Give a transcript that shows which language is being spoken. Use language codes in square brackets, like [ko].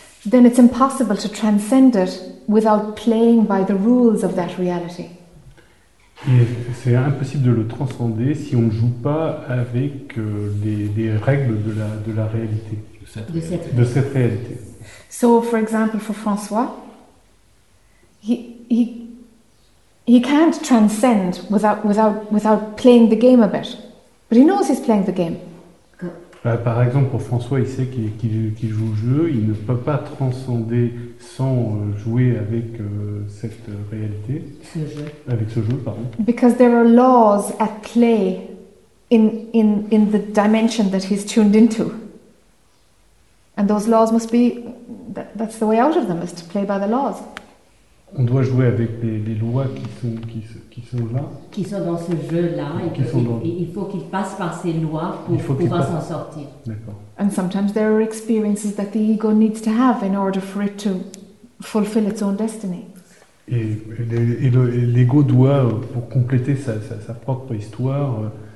[en] then it's impossible to transcend it without playing by the rules of that reality. [fr] Et c'est impossible de le transcender si on ne joue pas avec les règles de la réalité, de cette réalité. [en] So, for example, for François, he can't transcend without playing the game a bit, but he knows he's playing the game. [fr] Par exemple, pour François, il sait qu'il joue le jeu. Il ne peut pas transcender sans jouer avec cette réalité. Avec ce jeu. [en] Because there are laws at play in the dimension that he's tuned into, and those laws must be that's the way out of them is to play by the laws. [fr] On doit jouer avec les lois qui sont là. Qui sont dans ce jeu-là. Il faut qu'il passe par ces lois pour pouvoir s'en sortir. D'accord. [en] And sometimes there are experiences that the ego needs to have in order for it to fulfill its own destiny. [fr] Et l'ego doit, pour compléter sa propre histoire,